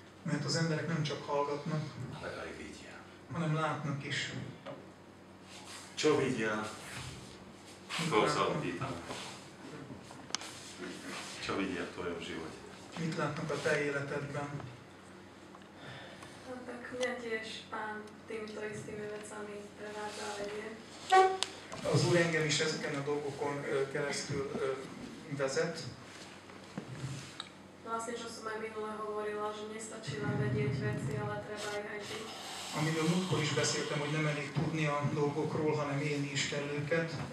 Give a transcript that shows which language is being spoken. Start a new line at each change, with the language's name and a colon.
Hungarian: Mert az emberek nem csak hallgatnak.
Slovak: Ale aj vidia.
Hungarian: Hanem látnak is.
Slovak: Čo vidia? Koho sa opýtam? Čo vidia v tvojom živote?
Hungarian: Mit látnak a te életedben?
Slovak: No, tak mňa tiež Pán týmito istými vecami prevádza a vedie.
Hungarian: Az Úr engem is ezeken a dolgokon keresztül vezet.
Slovak: Vlastne, čo som aj minule hovorila, že nestačí len vedieť veci, ale treba ich aj žiť.
Hungarian: Amiről múltkor is beszéltem, hogy nem elég tudni a dolgokról, hanem élni is kell őket.